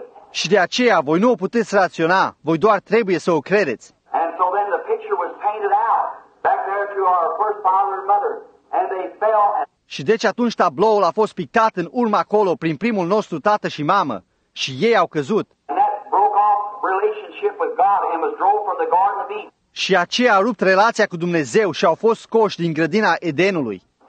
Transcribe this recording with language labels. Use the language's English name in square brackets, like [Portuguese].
[Romanian] Și de aceea voi nu o puteți raționa, voi doar trebuie să o credeți. [English] And so then the picture was painted out back there to our first father and mother, and they fell. [Romanian] Și deci atunci tabloul a fost pictat în urma acolo prin primul nostru tată și mamă, și ei au căzut. [English] And that broke off relationship with God and was drove from the Garden of Eden. [Romanian] Și aceea a rupt relația cu Dumnezeu și au fost scoși din grădina Edenului.